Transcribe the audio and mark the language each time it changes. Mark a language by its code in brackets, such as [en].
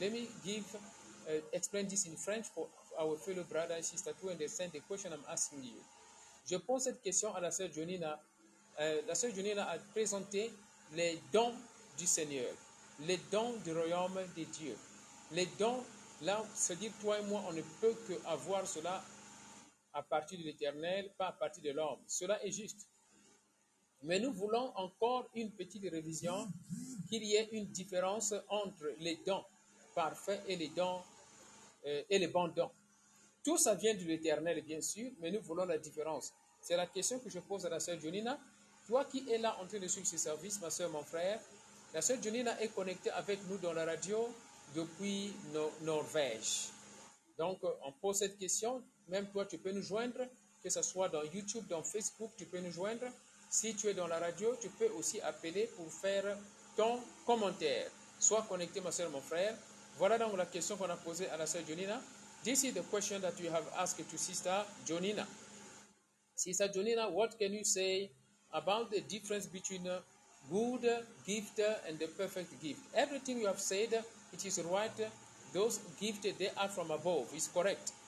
[en] Let me give explain this in French for our fellow brothers and sisters to understand the question I'm asking you. [fr] Je pose cette question à la sœur Jonina. La sœur Jonina a présenté les dons du Seigneur, les dons du royaume de Dieu. Les dons, là, c'est-à-dire toi et moi, on ne peut qu'avoir cela à partir de l'Éternel, pas à partir de l'homme. Cela est juste. Mais nous voulons encore une petite révision, qu'il y ait une différence entre les dons parfaits et les dons et les bons dons. Tout ça vient de l'Éternel, bien sûr, mais nous voulons la différence. C'est la question que je pose à la sœur Jonina. Toi qui es là en train de suivre ce service, ma soeur, mon frère, la soeur Jonina est connectée avec nous dans la radio depuis Norvège. Donc, on pose cette question. Même toi, tu peux nous joindre, que ce soit dans YouTube, dans Facebook, tu peux nous joindre. Si tu es dans la radio, tu peux aussi appeler pour faire ton commentaire. Sois connecté, ma soeur, mon frère. Voilà donc la question qu'on a posée à la soeur Jonina. [en] This is the question that you have asked to Sister Jonina. Sister Jonina, what can you say about the difference between good gift and the perfect gift? Everything you have said, it is right. Those gifts, they are from above. It's correct.